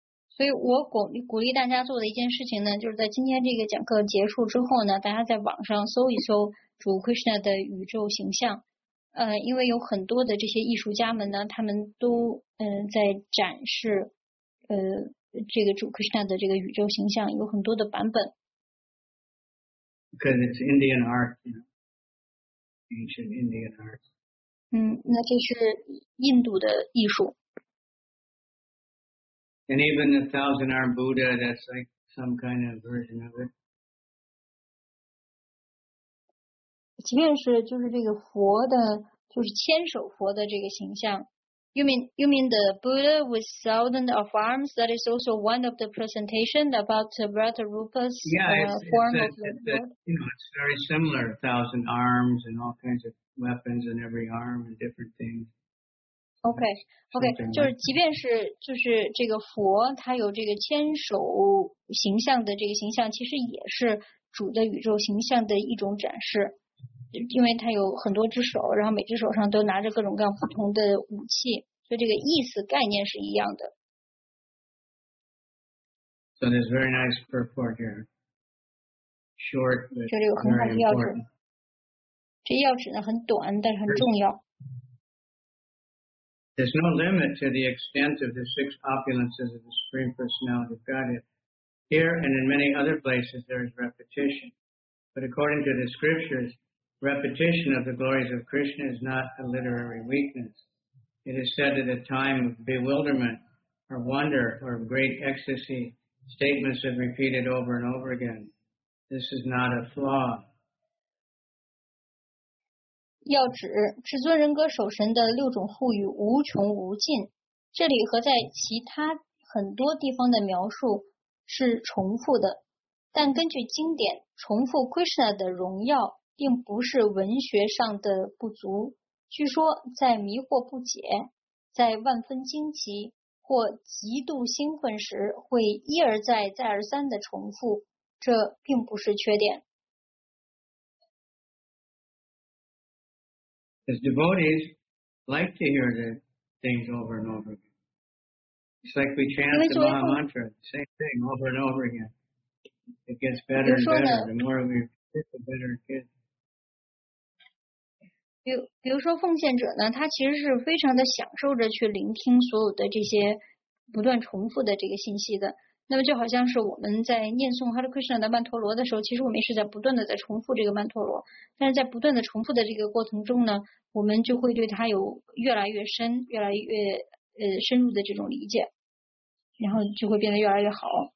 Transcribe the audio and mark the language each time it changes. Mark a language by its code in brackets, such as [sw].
[zh] 所以我鼓励大家做的一件事情呢，就是在今天这个讲课结束之后呢，大家在网上搜一搜主 Krishna 的宇宙形象，因为有很多的这些艺术家们呢，他们都在展示这个主 Krishna 的这个宇宙形象，有很多的版本。 [en] Because it's Indian art, you know, ancient Indian art. [zh] 嗯，那这是印度的艺术。 [en] And even the thousand-arm Buddha, that's like some kind of version of it. [zh] 即便是就是这个佛的，就是千手佛的这个形象， [en] You mean the Buddha with thousands of arms? That is also one of the presentation about Virata Rupa's form of the Buddha? Yeah, you know, it's very similar, 1,000 arms and all kinds of weapons and every arm and different things. [zh] Okay, 就是即便是就是这个佛他有这个千手形象的这个形象，其实也是主的宇宙形象的一种展示，因为他有很多只手，然后每只手上都拿着各种各样不同的武器，所以这个意思概念是一样的。 [en] So there's very nice purport here. Short, but [zh] 这里有很好的钥匙，这钥匙呢很短但是很重要。 [en] There's no limit to the extent of the six opulences of the Supreme Personality of Godhead. Here and in many other places, there is repetition. But according to the scriptures, repetition of the glories of Krishna is not a literary weakness. It is said that a time of bewilderment or wonder or great ecstasy, statements are repeated over and over again. This is not a flaw. [zh] 要指至尊人格守神的六种护语无穷无尽，这里和在其他很多地方的描述是重复的，但根据经典，重复 Krishna 的荣耀并不是文学上的不足。据说在迷惑不解、在万分惊奇或极度兴奋时，会一而再、再而三的重复，这并不是缺点。 [en] As devotees like to hear the things over and over again. It's like we chant the Maha Mantra, same thing over and over again. It gets better and better. The more we repeat, the better it gets. [zh] 比如说奉献者呢，他其实是非常的享受着去聆听所有的这些不断重复的这个信息的。那么就好像是我们在念诵 Hare Krishna 的曼陀罗的时候，其实我们也是在不断的在重复这个曼陀罗，但是在不断的重复的这个过程中呢，我们就会对它有越来越深、越来越深入的这种理解，然后就会变得越来越好。